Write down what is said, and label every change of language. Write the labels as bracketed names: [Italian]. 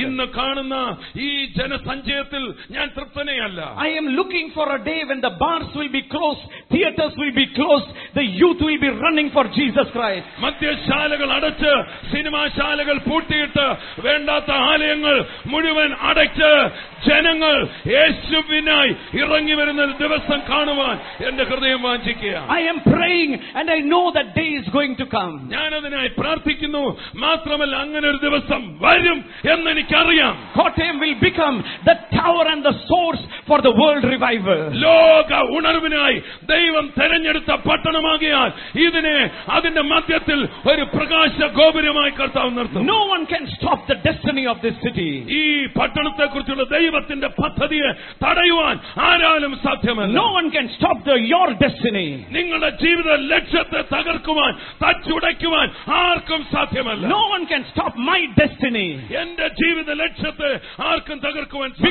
[Malayalam] ഇന്ന് കാണുന്ന ഈ ജനസഞ്ചയത്തിൽ ഞാൻ തൃപ്തനല്ല. [English] I am looking for a day when the bars will be closed, theaters will be closed, the youth will be running for Jesus Christ. [Malayalam] മദ്യശാലകൾ അടച്ച്, cinema ശാലകൾ പൂട്ടിയിട്ട്, വേണ്ടാത്ത ആലയങ്ങൾ മുഴുവൻ അടച്ച്, ജനങ്ങൾ യേശുവിനായി ഇറങ്ങി വരുന്ന ദിവസം കാണുവാൻ എന്റെ ഹൃദയം വാഞ്ചിക്കുകയാണ്. [English] I am praying and I know that day is going to come. [Malayalam] ഞാൻ അതിനായി പ്രാർത്ഥിക്കുന്നു, മാത്രമല്ല അങ്ങനെ ഒരു ദിവസം വരും എന്ന് എനിക്കറിയാം. [English] Kottayam will become the tower and the source for the world revival. [Malayalam] ലോക ഉണർവിനായി ദൈവം തിരഞ്ഞെടുത്ത പട്ടണമാകിയാൽ ഇതിനെ അതിന്റെ മധ്യത്തിൽ ഒരു പ്രകാശ ഗോപുരമായി കർത്താവ് നിർത്തും. [English] No one can stop the destiny of this city. [Malayalam] ഈ പട്ടണത്തെ കുറിച്ചുള്ള ദൈവത്തിന്റെ പദ്ധതിയെ തടയുവാൻ ആരാലും സാധ്യമല്ല. [English] No one can stop your destiny. [Malayalam] നിങ്ങളുടെ ജീവിത ലക്ഷ്യത്തെ തകർക്കുവാൻ, തച്ചുടയ്ക്കുവാൻ ആർക്കും സാധ്യമല്ല. [English] No one can stop my destiny. [Malayalam] എന്റെ ജീവിത ലക്ഷ്യത്തെ ആർക്കും തകർക്കുവാൻ സാധ്യമല്ല.